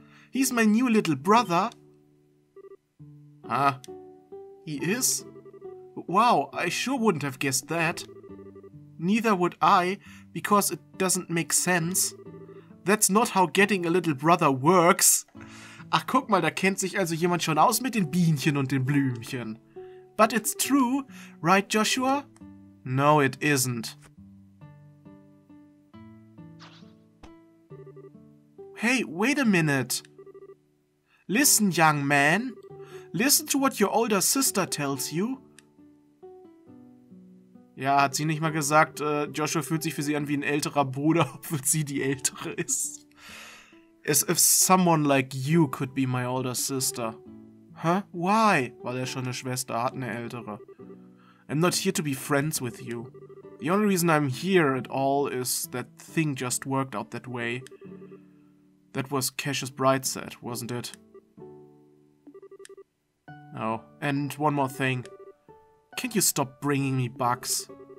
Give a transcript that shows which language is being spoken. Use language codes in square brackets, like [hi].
[en] He's my new little brother. Huh? He is? Wow, I sure wouldn't have guessed that. Neither would I, because it doesn't make sense. That's not how getting a little brother works. [de] Ach, guck mal, da kennt sich also jemand schon aus mit den Bienchen und den Blümchen. [en] But it's true, right, Joshua? No, it isn't. Hey, wait a minute. Listen, young man. Listen to what your older sister tells you. [de] Ja, hat sie nicht mal gesagt, Joshua fühlt sich für sie an wie ein älterer Bruder, obwohl sie die Ältere ist. [en] As if someone like you could be my older sister. Huh? Why? [de] Weil er schon eine Schwester hat, eine Ältere. [en] I'm not here to be friends with you. The only reason I'm here at all is that thing just worked out that way. That was Cash's bright side, wasn't it? Oh, and one more thing. Can't you stop bringing me bugs?